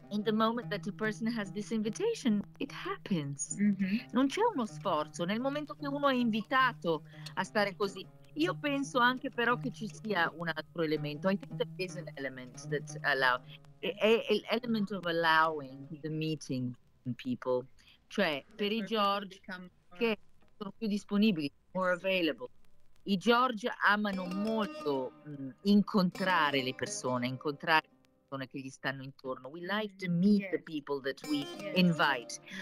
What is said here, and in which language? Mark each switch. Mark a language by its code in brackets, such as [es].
[en] Moment that a person has this invitation, it happens. Mm-hmm. [it] Non c'è uno sforzo nel momento che uno è invitato a stare così. Io penso anche però che ci sia un altro elemento. [en] I think there is an element that allow, an element of allowing the meeting people. [it] Cioè per i George che sono più disponibili, [en] more available. [it] I George amano molto incontrare le persone, incontrare che gli stanno intorno. [en] We like to meet the people that we invite.